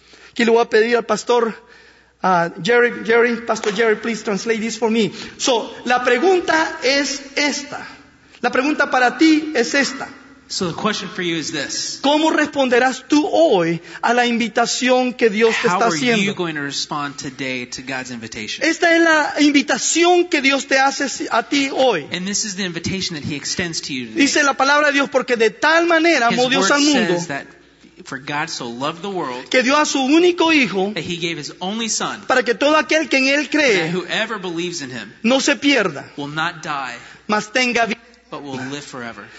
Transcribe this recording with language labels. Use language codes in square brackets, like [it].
[es] Aquí le voy a pedir al pastor Pastor Jerry, [en] please translate this for me. [es] So, la pregunta es esta. La pregunta para ti es esta. [en] So the question for you is this. [es] ¿Cómo responderás tú hoy a la invitación que Dios te está haciendo? [en] How are you going to respond today to God's invitation? [es] Esta es la invitación que Dios te hace a ti hoy. [en] And this is the invitation that he extends to you today. [es] Dice la palabra de Dios, porque de tal manera amó Dios al mundo. [en] For God so loved the world, [es] que dio a su único hijo, [en] that he gave his only son, [es] para que todo aquel que en él cree, [en] that whoever believes in him, [es] no se pierda, [en] will not die, [es] mas tenga vida, [en] but will live forever.